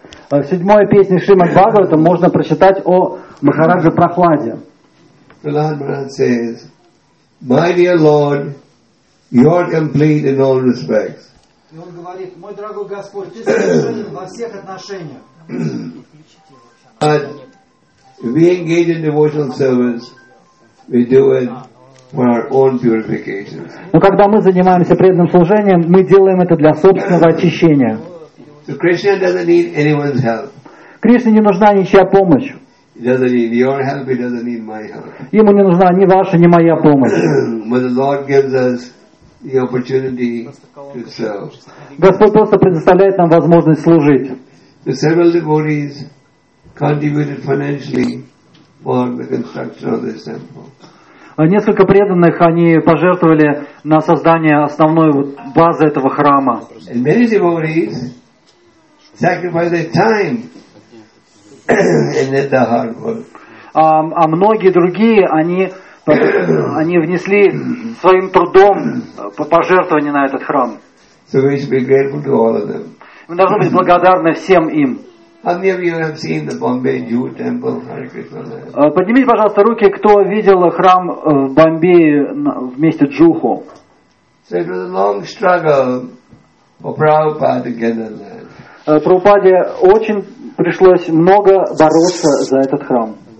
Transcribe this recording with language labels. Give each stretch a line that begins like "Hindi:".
Russian: В седьмой песне Шримад Бхагаватам можно прочитать о Махарадже Прахладе.
English: Prahlad Maharaj says, "My dear Lord, you are complete in all respects."
Russian: И он говорит, мой дорогой Господь, ты совершенен во всех отношениях.
English: But we engage in devotional service, we do it for our own purification.
Russian: Но когда мы занимаемся преданным служением, мы делаем это для собственного очищения.
English: So Krishna doesn't need anyone's help. Кришне не нужна ничья помощь. He doesn't need your help. He doesn't need my help.
Russian: Ему не нужна ни ваша, ни моя помощь.
English: But the Lord gives us the opportunity to serve.
Russian: Господь просто предоставляет нам возможность служить.
English: The several devotees contributed financially for the construction of this temple.
Russian: Несколько преданных они пожертвовали на создание основной базы этого храма.
English: And many devotees sacrificed their time.
Russian: А многие другие они внесли своим трудом пожертвования на этот храм.
English: So we should be grateful to all of them.
Russian: Мы должны быть благодарны всем им.
English: How many of you have seen the Bombay Jew Temple, Hare Krishna?
Russian: Поднимите, пожалуйста, руки, кто видел храм в Бомбее вместе Джуху.
English: So it was a long struggle for Prabhupada to get that land.
Russian: Прабхупаде очень пришлось много бороться за этот храм.